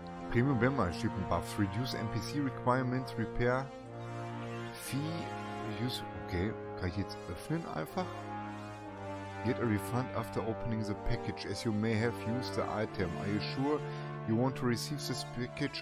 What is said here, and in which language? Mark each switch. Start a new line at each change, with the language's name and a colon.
English: Premium Membership Buffs Reduce NPC Requirements Repair Fee Reduce.
German: Okay, kann ich jetzt öffnen einfach?
English: Get a refund after opening the package as you may have used the item. Are you sure? You want to receive this package?